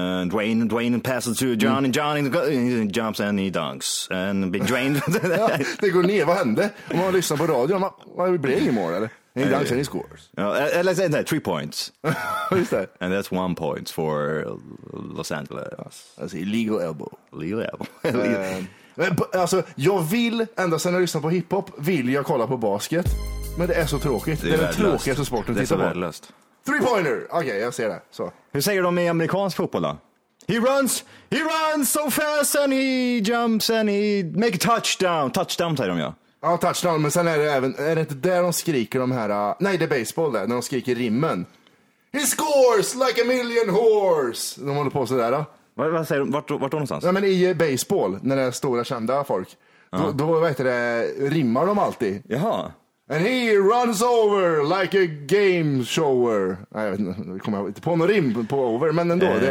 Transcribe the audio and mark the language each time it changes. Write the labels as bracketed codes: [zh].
[en] Dwayne passes to Johnny. Johnny jumps and he dunks. And big Dwayne. [sv] Det går ner, vad hände? Om man lyssnar på radio, vad blir det imorgon eller? [en] He dunks and he scores. Let's say that, 3 points. [sv] Just det. [en] And that's 1 point for Los Angeles. That's illegal elbow. Illegal elbow. [sv] Alltså, jag vill ända sedan jag lyssnar på hiphop vill jag kolla på basket. Men det är så tråkigt. Det är den tråkigaste sporten att titta på. 3-pointer! Okej, okay, jag ser det. Så. Hur säger de i amerikansk fotboll då? [en] He runs so fast and he jumps and he make a touchdown. [sv] Touchdown säger de, ja. Ja, touchdown, men sen är det även, är det inte där de skriker de här, nej, det är baseball där, när de skriker rimmen. [en] He scores like a million whores. [sv] De håller på sådär då. Vad säger du? Vart någonstans? Nej, men i baseball, när det är stora kända folk. Uh-huh. Då vet du, rimmar de alltid. Jaha. [en] And he runs over like a game shower. [sv] Nej, jag vet inte. Kommer jag inte på någon rim på over, men ändå.